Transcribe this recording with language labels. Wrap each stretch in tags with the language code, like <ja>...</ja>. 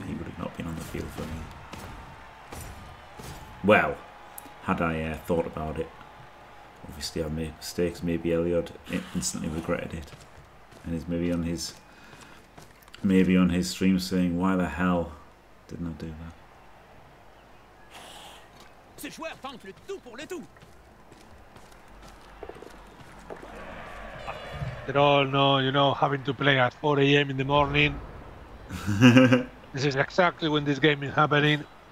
<en>He would have not been on the field for me. Well, had I thought about it, obviously I made mistakes. Maybe Elyod instantly regretted it. And is maybe on his stream saying, why the hell didn't I do that?</en> <fr>Ce joueur tente le tout pour le tout.</fr> <en>They all know, you know, having to play at 4 a.m. in the morning. This is exactly when this game is happening.</en>